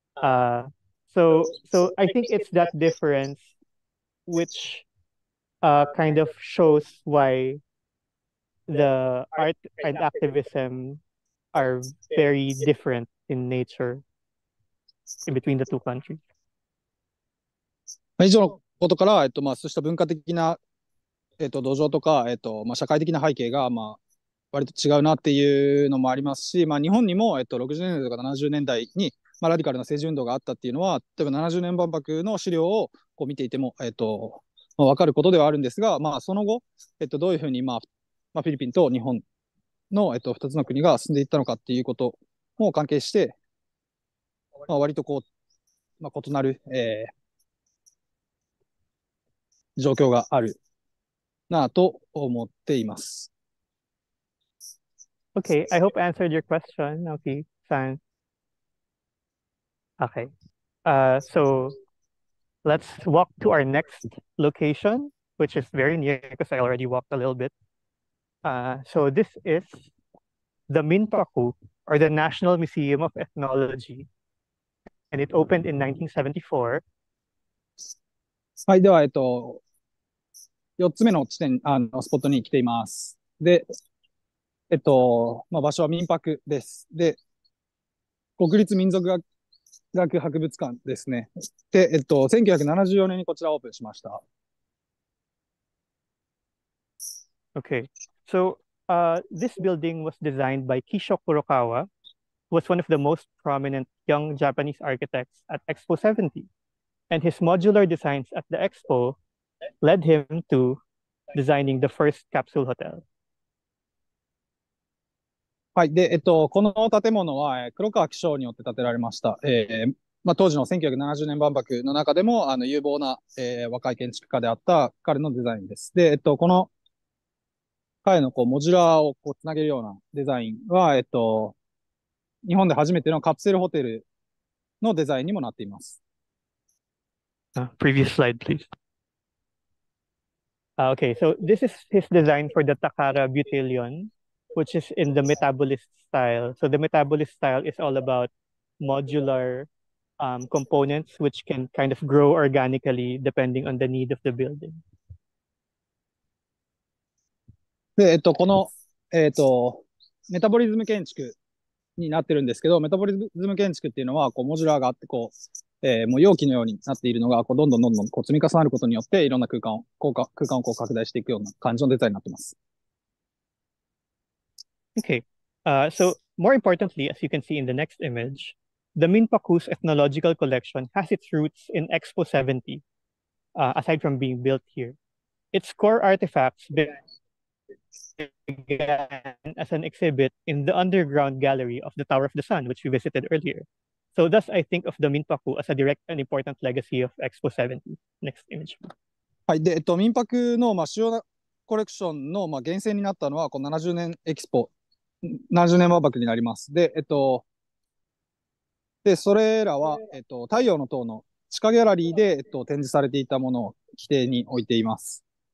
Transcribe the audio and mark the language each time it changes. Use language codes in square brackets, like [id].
[en] So I think it's that difference, which kind of shows why the art and activism are very different in nature in between the two countries. [ja] 以上のことから、まあ、そうした文化的な土壌とか、まあ、社会的な背景が、まあ、割と違うなっていうのもありますし、まあ、日本にも、60年代とか70年代に、まあ、ラディカルな政治運動があったっていうのは、例えば70年万博の資料をこう見ていても、まあ、分かることではあるんですが、まあ、その後、どういうふうに、まあまあ、フィリピンと日本の、2つの国が進んでいったのかっていうことも関係して、まあ、割とこう、まあ、異なる、状況があるなと思っています。 [en] Okay, I hope I answered your question, Aoki-san. Okay, so let's walk to our next location, which is very near because I already walked a little bit. So this is the Minpaku, or the National Museum of Ethnology, and it opened in 1974. [ja] はい、では 4つ目の地点、スポットに来ています。で、場所は民泊です。で、国立民族学博物館ですね。で、1974年にこちらオープンしました。 [en] Okay. So, this building was designed by Kisho Kurokawa, who was one of the most prominent young Japanese architects at Expo 70. And his modular designs at the Expo led him to designing the first capsule hotel. [ja] はい。で、この建物は、黒川紀章によって建てられました。当時の1970年万博の中でも、有望な、若い建築家であった彼のデザインです。で、この、彼のこうモジュラーをこうつなげるようなデザインは、日本で初めてのカプセルホテルのデザインにもなっています。 [en] Previous slide, please. Okay, so this is his design for the Takara Butelion, which is in the metabolist style. So the metabolist style is all about modular components which can kind of grow organically depending on the need of the building. [ja] で、この、メタボリズム建築になってるんですけど、メタボリズム建築っていうのはこうモジュラーがあってこう、もう容器のようになっているのがこうどんどんどんどんこう積み重なることによっていろんな空間を、空間をこう拡大していくような感じのデザインになってます。 [en] Okay. So more importantly, as you can see in the next image, the Minpaku's ethnological collection has its roots in Expo 70, aside from being built here. Its core artifacts began as an exhibit in the underground gallery of the Tower of the Sun, which we visited earlier. So thus, I think of the Minpaku as a direct and important legacy of Expo 70. Next image. [ja] はい。で、Minpaku の、主要なコレクションの、源泉になったのは、この70年エキスポ、70年万博になります。で、で、それらは、太陽の塔の地下ギャラリーで、展示されていたものを規定に置いています。